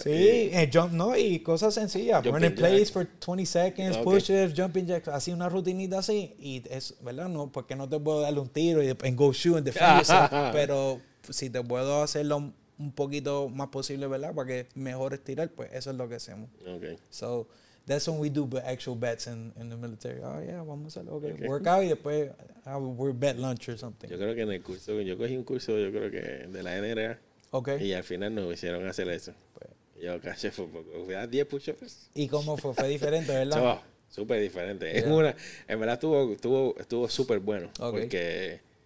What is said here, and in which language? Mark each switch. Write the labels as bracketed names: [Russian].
[Spanish] Sí, y jump, no, y cosas sencillas. Running plays for 20 seconds, okay. Push-ups, jumping jacks. Así, una rutinita así. Y es, ¿verdad? No, porque no te puedo dar un tiro y después go shoot and defend yourself. Pero si te puedo hacerlo un poquito más posible, ¿verdad? Para que mejores tirar, pues eso es lo que hacemos. [English] Okay. So, that's when we do actual bets in the military. Oh, yeah, vamos a hacer, okay. Work out y después we're bet lunch or something. [Spanish] Yo creo que en el curso, yo cogí un curso, yo creo que de la NRA. [English] Okay. [Spanish] Y al final nos hicieron hacer eso. Yo casi fue poco. Fui a 10 push-ups. ¿Y cómo fue? Fue diferente, ¿verdad? Súper diferente. Yeah. En verdad estuvo súper bueno. Okay.